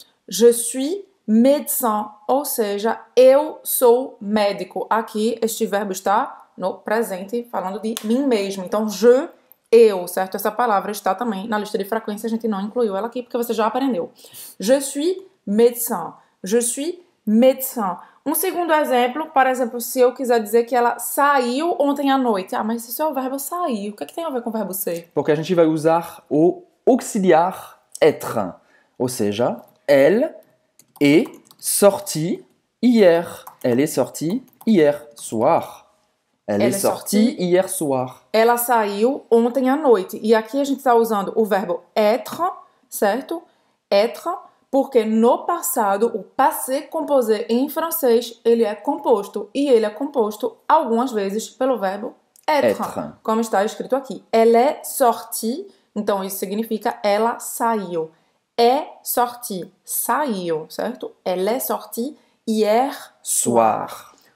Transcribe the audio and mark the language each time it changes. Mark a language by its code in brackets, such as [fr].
[fr] Je suis médecin, [pt] ou seja, eu sou médico. Aqui, este verbo está no presente, falando de mim mesmo. Então, je, eu, certo? Essa palavra está também na lista de frequência, a gente não incluiu ela aqui, porque você já aprendeu. [fr] Je suis médecin. Je suis médecin. [pt] Um segundo exemplo, por exemplo, se eu quiser dizer que ela saiu ontem à noite. Ah, mas isso é o verbo sair. O que é que tem a ver com o verbo ser? Porque a gente vai usar o auxiliar être. Ou seja, [fr] elle est sortie hier. Elle est sortie hier, soir. Elle est sortie hier soir. [pt] Ela saiu ontem à noite. E aqui a gente está usando o verbo être, certo? Être, porque no passado, o passé composé em francês, ele é composto. E ele é composto, algumas vezes, pelo verbo être. Como está escrito aqui. [fr] Elle est sortie. [pt] Então, isso significa ela saiu. [fr] Est sortie. [pt] Saiu, certo? [fr] Elle est sortie hier soir.